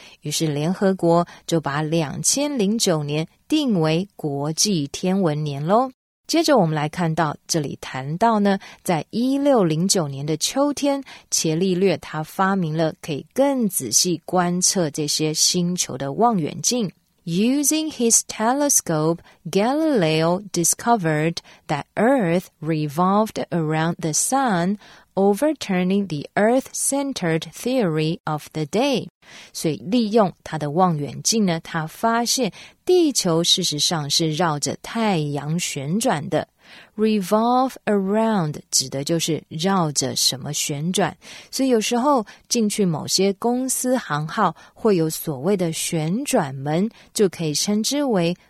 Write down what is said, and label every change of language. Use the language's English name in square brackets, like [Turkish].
[Chinese] 于是联合国就把2009年定为国际天文年咯。接着我们来看到这里谈到呢，在1609年的秋天，伽利略他发明了可以更仔细观测这些星球的望远镜。 [English] Using his telescope, Galileo discovered that Earth revolved around the sun, overturning the Earth-centered theory of the day. [Chinese] 所以利用他的望远镜呢，他发现地球事实上是绕着太阳旋转的。 Revolve around 指的就是绕着什么旋转，所以有时候进去某些公司行号会有所谓的旋转门，就可以称之为